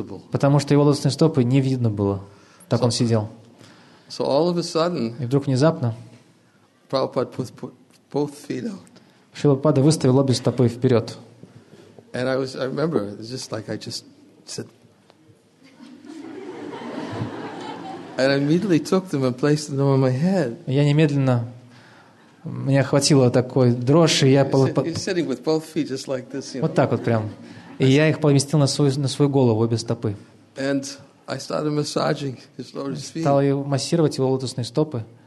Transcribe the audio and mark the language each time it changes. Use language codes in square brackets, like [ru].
[ru] Потому что его лотосные стопы не видно было. Так он сидел. [en] So all of a sudden, [ru] и вдруг внезапно [en] Prabhupada put both feet out. [ru] Шрила Прабхупада выставил обе стопы вперед. [en] And I remember, it's just like I just said. And I immediately took them and placed them on my head. [ru] Я немедленно, меня хватило такой дрожь, и я [en] sitting with both feet just like this. [ru] Вот так вот прям. И я их поместил на свою голову обе стопы. [en] And I started massaging his lotus feet. [ru] Стал массировать его лотосные стопы.